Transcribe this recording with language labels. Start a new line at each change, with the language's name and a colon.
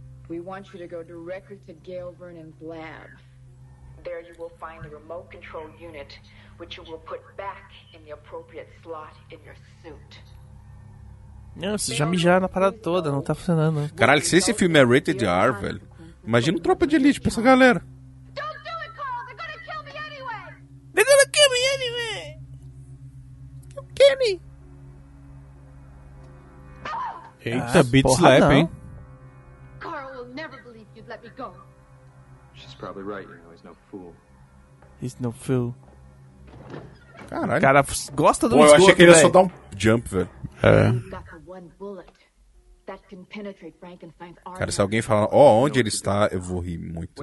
English: We want you to go directly to Gail Vernon's lab. There you will find the remote control unit, which you will put back in the appropriate slot in your suit.
Portuguese: Não, vocês já mijaram na parada toda, não tá funcionando. Caralho, se esse filme é rated R, velho, imagina um Tropa de Elite pra essa galera.
English: Don't do it, Carl! They're gonna kill me anyway!
Portuguese: Eita, beat slap, hein?
English: Carl will never believe you'd let me go. She's probably right, you know, he's no fool. He's no fool.
Portuguese: Caralho. O cara gosta do velho. Eu achei que ele ia só dar um jump, velho. É. Cara, se alguém falar, ó, onde ele está, eu vou rir muito.